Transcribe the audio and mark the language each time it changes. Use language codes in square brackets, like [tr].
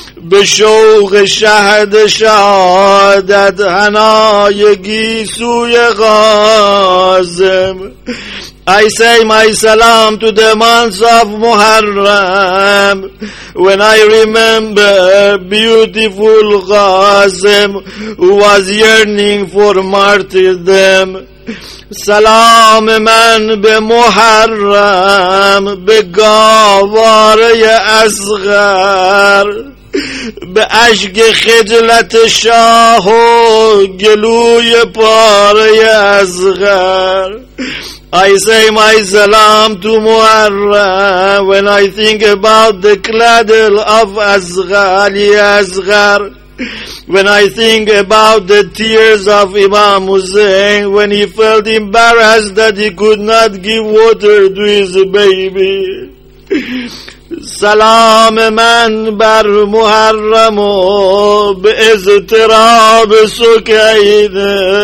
[fa] به شوق شهد شهادت حنای گیسوی قاسم. [en] I say my salam to the month of Muharram when I remember beautiful Qasim, who was yearning for martyrdom. [fa] سلام من به محرم به گاواره اصغر. به عشق خجلت شاه و گلوی پاره اصغر. [en] I say my salam to Muharram when I think about the cradle of Ali Asghar, when I think about the tears of Imam Hussein when he felt embarrassed that he could not give water to his baby. [fa] سلام من بر محرم و به اضطراب سکینه.